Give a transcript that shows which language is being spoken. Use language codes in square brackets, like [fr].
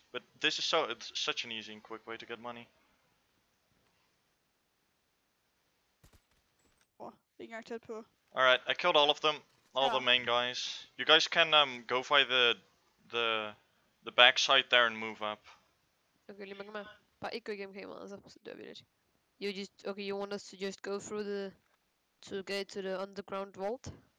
[en] But this is so, it's such an easy and quick way to get money. Alright, I killed all of them. The main guys. You guys can go by the backside there and move up. [da] Okay, lige med. Bare ikke gå igennem kameraet, så dør vi lidt. [en] You just, okay, you want us to just go through the, to get to the underground vault?